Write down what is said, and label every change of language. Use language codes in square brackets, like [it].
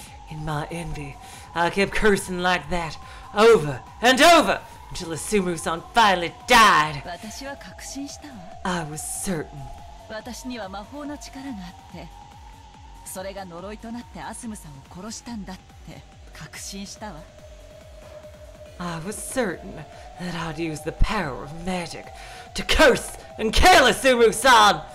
[en] In my envy, I kept cursing like that, over and over, until Asumu-san finally died. [ja] 私は確信したわ。 [en] I was certain. [ja] 私には魔法の力があって、それが呪いとなってアスムさんを殺したんだって確信したわ。 [en] I was certain that I'd use the power of magic to curse and kill Asumu-san!